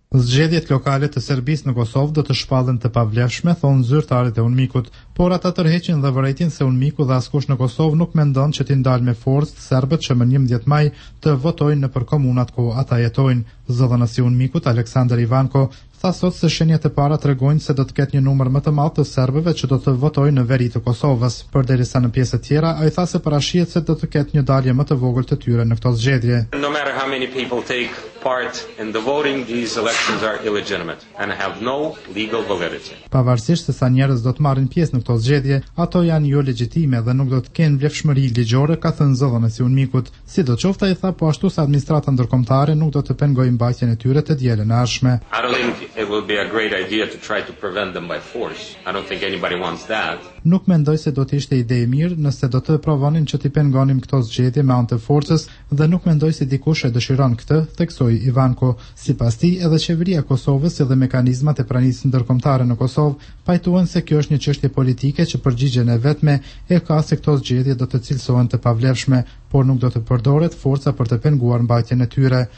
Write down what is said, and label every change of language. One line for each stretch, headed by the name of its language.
Albanian: Zgjedhjet lokale të Serbisë në Kosovë do të shpallen të pavlefshme, thonë zyrtarët e UNMIK-ut, por ata tërheqin dhe vërejtin se UNMIK-u dhe askush në Kosovë nuk mendon që t'i ndalë me forcë serbët që më 11 maj të votojnë në përkomunat ku ata jetojnë. Zëdhënësi UNMIK-ut Aleksandar Ivanko tha sot se shenjat e para tregojnë se do të ketë një numër më të madh të serbëve që do të votojnë në veri të Kosovës, përderisa në pjesë të tjera ai tha se parashihet se do të ketë një dalje më të vogël të tyre në këto zgjedhje.
English: No matter how many people take part in the voting, these elections are illegitimate and have no legal validity.
Albanian: Pavarësisht se sa njerëz do të marrin pjesë në këto zgjedhje, ato janë jo legjitime dhe nuk do të kenë vlefshmëri ligjore, ka thënë zëdhënësi UNMIK-ut. Sidoqoftë ai tha po ashtu se administrata ndërkombëtare nuk do të pengojë mbajtjen e tyre të dielën arshme.
English: It will be a great idea to try to prevent them by force. I don't think anybody wants that.
Albanian: Nuk mendoj se do të ishte ide e mirë nëse do të provonin që t'i pengonin këto zgjedhje me anë të forcës dhe nuk mendoj se dikush e dëshiron këtë, theksoi Ivanko. Sipas tij, edhe qeveria e Kosovës dhe mekanizmat e pranisë ndërkombëtare në Kosovë pajtuan se kjo është një çështje politike që përgjigjen e vetme e ka se këto zgjedhje do të cilësohen të pavlefshme, por nuk do të përdoret forca për të penguar mbajtjen e tyre.